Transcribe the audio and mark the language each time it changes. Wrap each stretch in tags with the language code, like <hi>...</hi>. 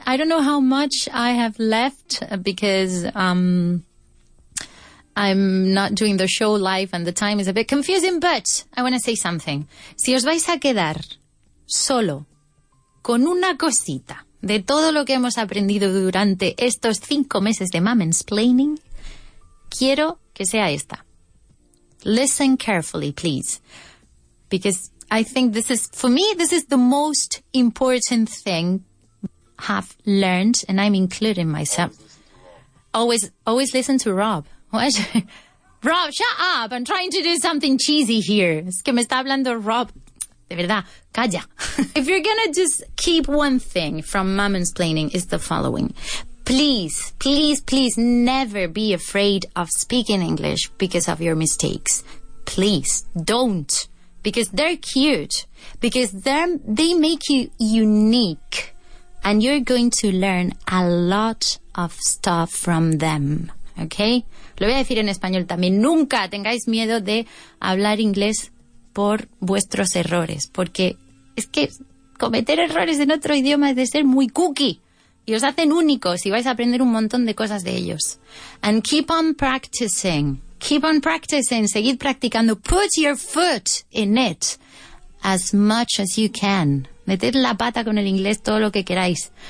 <en>I don't know how much I have left because I'm not doing the show live and the time is a bit confusing, but I want to say something.</en> <es>Si os vais a quedar... solo con una cosita de todo lo que hemos aprendido durante estos 5 meses de mamensplaining, quiero que sea esta.</es> <en>Listen carefully, please. Because I think this is, for me, this is the most important thing I have learned, and I'm including myself. Always listen to Rob. What? Rob, shut up! I'm trying to do something cheesy here.</en> <es>Es que me está hablando Rob. De verdad, calla.</es> <en>If you're gonna just keep one thing from mamensplaining, is the following. Please, please, please never be afraid of speaking English because of your mistakes. Please, don't. Because they're cute. Because they make you unique. And you're going to learn a lot of stuff from them. Okay?</en> <es>Lo voy a decir en español también. Nunca tengáis miedo de hablar inglés por vuestros errores, porque es que cometer errores en otro idioma es de ser muy cookie y os hacen únicos y vais a aprender un montón de cosas de ellos.</es> <en>And keep on practicing,</en> <es>seguid practicando,</es> <en>put your foot in it as much as you can.</en> <es>Meted la pata con el inglés todo lo que queráis.</es>